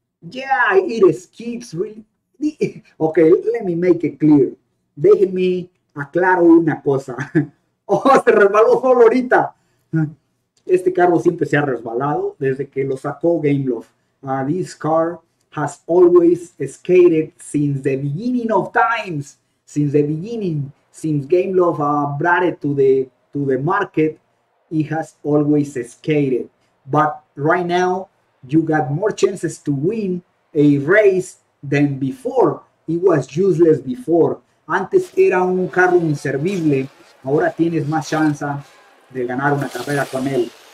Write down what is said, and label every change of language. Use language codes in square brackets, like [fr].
[en] Yeah, it skips really. Ok, let me make it clear. [es] Déjenme aclaro una cosa. ¡Oh, se resbaló solo ahorita! Este carro siempre se ha resbalado desde que lo sacó Gameloft. [en] This car has always skated since the beginning of times. Since the beginning, since Gameloft brought it to the market, it has always skated. But right now, you got more chances to win a race than before. It was useless before. [es] Antes era un carro inservible, ahora tienes más chance de ganar una carrera con él.